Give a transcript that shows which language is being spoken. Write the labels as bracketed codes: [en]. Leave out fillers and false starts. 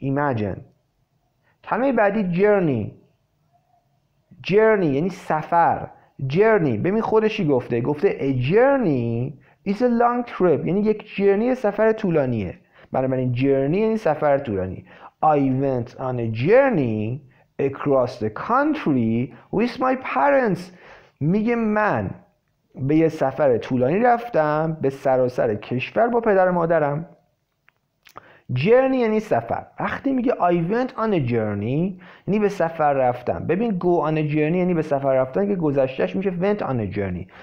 [fa] imagine. کلمه بعدی journey یعنی سفر. journey ببین خودشی گفته [en] a journey is a long trip [fa] یعنی یک journey سفر طولانیه. بنابراین journey یعنی سفر طولانی. [en] I went on a journey across the country with my parents. [fa] میگه من به یه سفر طولانی رفتم به سراسر کشور با پدر و مادرم. journey یعنی سفر. وقتی میگه [en] I went on a journey [fa] یعنی به سفر رفتم. ببین [en] go on a journey [fa] یعنی به سفر رفتن که گذشتش میشه [en] went on a journey.